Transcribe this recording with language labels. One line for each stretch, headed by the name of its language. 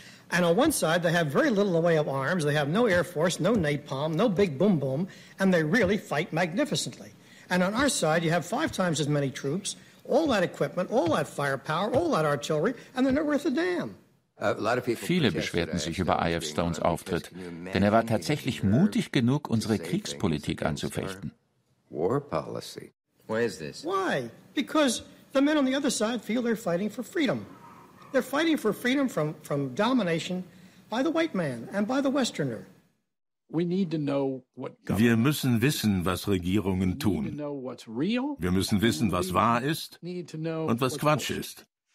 English: And on one side, they have very little in the way of arms. They have no air force, no napalm, no big boom boom, and they really fight magnificently. And on our side, you have five times as many troops, all that equipment, all that firepower, all that artillery, and they're not worth a damn.
German: Viele beschwerten sich über I.F. Stones Auftritt, denn war tatsächlich mutig genug, unsere Kriegspolitik anzufechten.
English: War policy. Why is this? Why? Because the men on the other side feel they're fighting for freedom. They're fighting for freedom from domination by the white man and by the westerner.
German: Wir müssen wissen, was Regierungen tun. Wir müssen wissen, was wahr ist und was Quatsch ist.